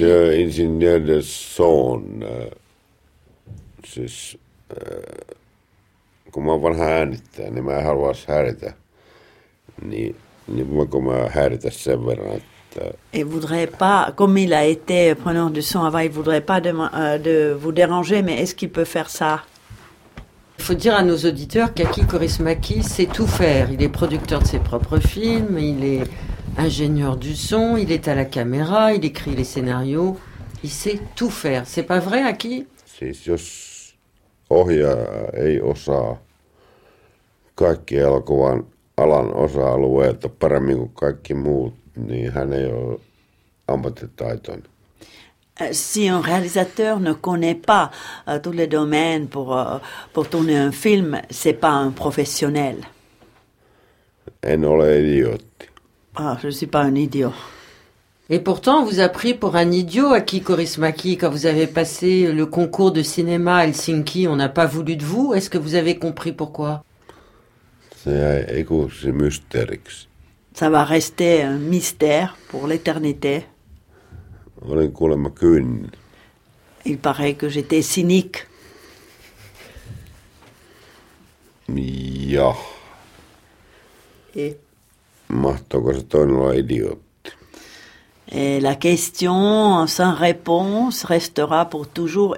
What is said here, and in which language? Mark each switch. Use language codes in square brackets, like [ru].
[fr] Monsieur ingénieur de son, [fi] siis, kun mä voin häänittää, niin mä en haluaisi häiritä. Niin voinko mä häiritä sen verran, että... [fr] Et voudrait pas, comme il a été preneur de son avant, il voudrait pas de vous déranger, mais est-ce qu'il peut faire ça? Il faut dire à nos auditeurs qu'Aki Korismaki sait tout faire. Il est producteur de ses propres films, il est ingénieur du son, il est à la caméra, il écrit les scénarios, il sait tout faire. C'est pas vrai, Aki? [fi] Siis jos ohjaaja ei osaa kaikki elokuvan alan osa-alueita paremmin kuin kaikki muut, niin hän ei ole ammattitaitoinen. [fr] Si un réalisateur ne connaît pas tous les domaines pour tourner un film, c'est pas un professionnel. [fi] En ole idiotti. [fr] Ah, je suis pas un idiot. Et pourtant, on vous a pris pour un idiot, Aki Korismaki, quand vous avez passé le concours de cinéma à Helsinki, on n'a pas voulu de vous. Est-ce que vous avez compris pourquoi? Ça va rester un mystère pour l'éternité. [fi] Olen kuulemma kyyninen. [fr] Il paraît que j'étais cynique. [fi] Ja. [fr] Et. [fi] Mahtoiko se toinen olla idiootti? [fr] Et la question sans réponse restera pour toujours.